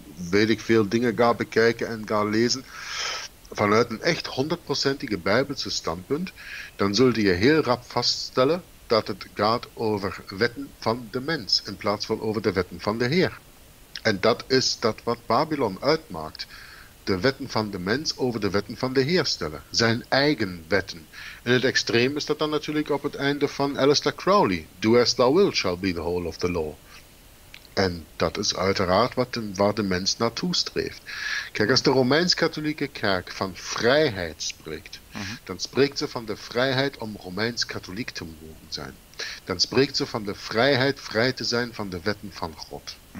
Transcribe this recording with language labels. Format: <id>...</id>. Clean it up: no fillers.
<nl>weet ik veel dingen ga bekijken en ga lezen, vanuit een echt 100%ige Bijbelse standpunt, dan zulde je heel rap vaststellen dat het gaat over wetten van de mens in plaats van over de wetten van de Heer. En dat is dat wat Babylon uitmaakt. De wetten van de mens over de wetten van de Heersteller. Zijn eigen wetten. In het extreem is dat dan natuurlijk op het einde van Aleister Crowley.</nl> <en>Do as thou wilt shall be the whole of the law.</en> <nl>En dat is uiteraard waar de mens naartoe streeft. Kijk, als de Romeins-Katholieke Kerk van vrijheid spreekt, dan spreekt ze van de vrijheid om Romeins-Katholiek te mogen zijn. Dan spreekt ze van de vrijheid vrij te zijn van de wetten van God.</nl>